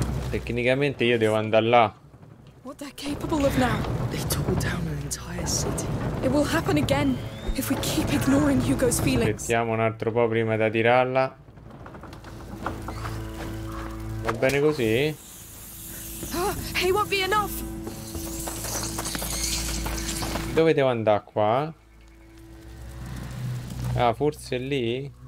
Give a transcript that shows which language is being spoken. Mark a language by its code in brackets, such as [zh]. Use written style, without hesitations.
[it] Tecnicamente io devo andare là. [en] What they're capable of now? They tore down an entire city. It will happen again if we keep ignoring Hugo's feelings. [it] Aspettiamo un altro po' prima da tirarla. Va bene così? [en] He won't be enough. [it] Dove devo andare qua? Ah, forse lì?